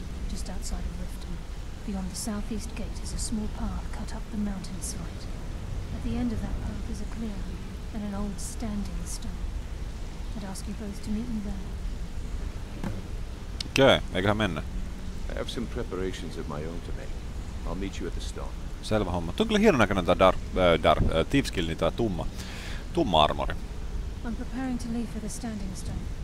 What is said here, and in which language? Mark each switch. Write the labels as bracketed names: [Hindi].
[English] Just outside of Riften, beyond the southeast gate, is a small path cut up the mountainside. At the end of that path is a clearing and an old standing stone. I'd ask you both to meet me there. [Finnish] Okay, eiköhän mennä. [English] I have some preparations of my own to make. I'll meet you at the stone. [Finnish] Selvä homma. Tuo on kyllä hieno näköinen tää Thieveskillin tää tumma armori. [English] I'm preparing to leave for the standing stone.